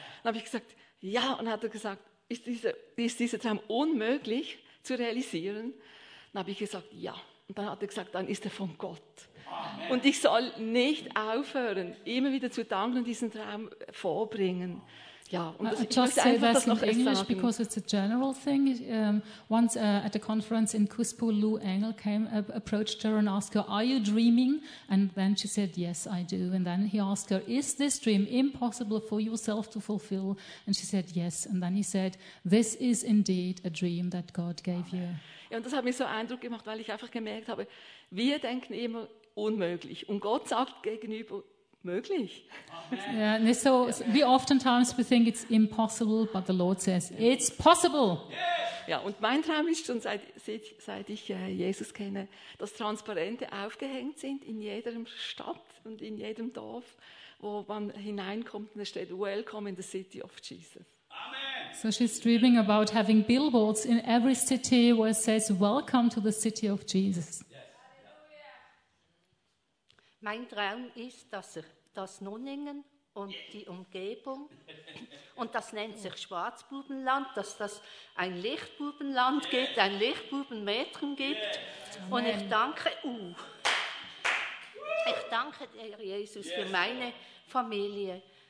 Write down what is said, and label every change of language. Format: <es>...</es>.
<de>Dann habe ich gesagt, ja, und hat er gesagt, ist dieser Traum unmöglich zu realisieren? Dann habe ich gesagt, ja, und dann hat er gesagt, dann ist er von Gott. Amen. Und ich soll nicht aufhören, immer wieder zu danken und diesen Traum vorbringen. Ja, und</de> <en>just say this in English because it's a general thing. Once at a conference in Kuspo, Lou Engel came, approached her and asked her, are you dreaming? And then she said, yes, I do. And then he asked her, is this dream impossible for yourself to fulfill? And she said, yes. And then he said, this is indeed a dream that God gave you.</en> <de>Ja, und das hat mich so Eindruck gemacht, weil ich einfach gemerkt habe, wir denken immer unmöglich. Und Gott sagt gegenüber, möglich.</de> <en>Yeah, and so we oftentimes we think it's impossible, but the Lord says it's possible. Yeah.</en> <de>Ja, und mein Traum ist schon seit ich Jesus kenne, dass Transparente aufgehängt sind in jeder Stadt und in jedem Dorf, wo man hineinkommt und es steht</de> <en>Welcome in the City of Jesus.</en> <de>Amen.</de> <en>So she's dreaming about having billboards in every city where it says Welcome to the City of Jesus.</en> <de>Mein Traum ist, dass Nunningen und die Umgebung, und das nennt sich Schwarzbubenland, dass das ein Lichtbubenland gibt, ein Lichtbubenmetrum gibt. Und ich danke dir, Jesus, für meine Familie.</de>